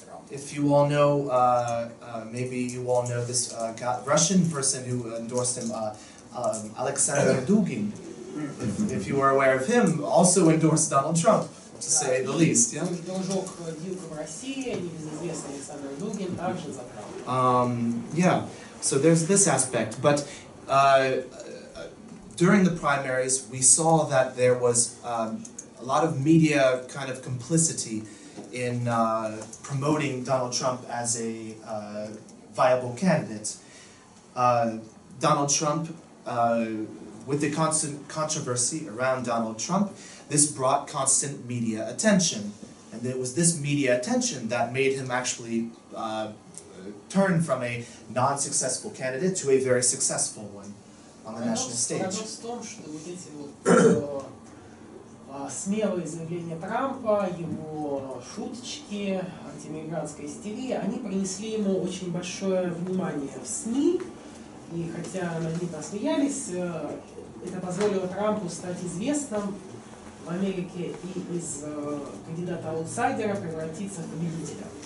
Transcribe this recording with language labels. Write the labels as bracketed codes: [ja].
[en] If you all know, maybe you all know this Russian person who endorsed him, Alexander Dugin. If you are aware of him, also endorsed Donald Trump, to say the least. Yeah. [ru] Дружок Дюка в России, небезызвестный Александр Дугин, также за Трампа. [en] Yeah. So there's this aspect, but during the primaries, we saw that there was a lot of media kind of complicity in promoting Donald Trump as a viable candidate. Donald Trump, with the constant controversy around Donald Trump, this brought constant media attention. And it was this media attention that made him actually turn from a non-successful candidate to a very successful one on the national stage. [ru] Парадокс в том, что вот эти вот смелые заявления Трампа, его шуточки, антиэмигрантская истерия, они принесли ему очень большое внимание в СМИ, и хотя они посмеялись, это позволило Трампу стать известным в Америке и из кандидата-аутсайдера превратиться в победителя.